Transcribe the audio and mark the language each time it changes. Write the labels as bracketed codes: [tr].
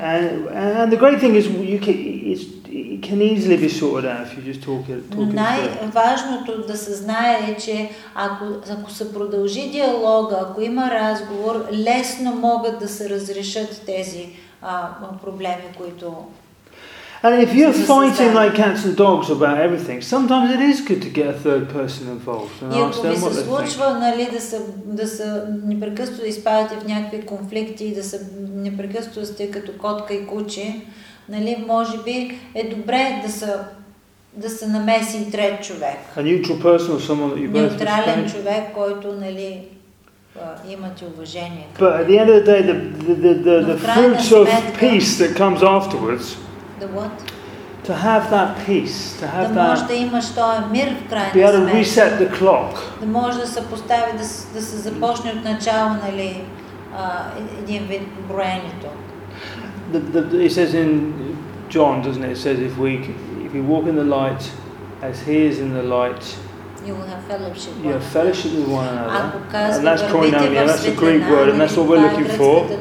[en] And the great thing is it can easily be sorted out if you just talk about it. [bg] Най-важното да се знае е, че ако се продължи диалога, ако има разговор, лесно могат да се разрешат тези проблеми, които. [en] And if you're fighting like cats and dogs about everything, sometimes it is good to get a third person involved and ask them what they think. [bg] Нали, да се непрекъснато да изпадате в някакви конфликти и да се непрекъснато сте като котка и куче, нали, може би е добре да се намеси трет човек. [en] A neutral person or someone that you both respect. [bg] Неутрален човек, който, нали, имате уважение. [en] But at the end of the day, the fruits of peace that comes afterwards. To have that peace, to have [bg] да [en] that. [bg] Да имаш този мир в крайна сметка. [en] Be able to reset the clock. [bg] Да може да се постави, да се започне от начало, нали, един вид броенето. [en] It says in John, doesn't it? It says if you walk in the light, as He is in the light. You will have fellowship with one another. And that's koinonia, that's the Greek word, and that's what we're looking for.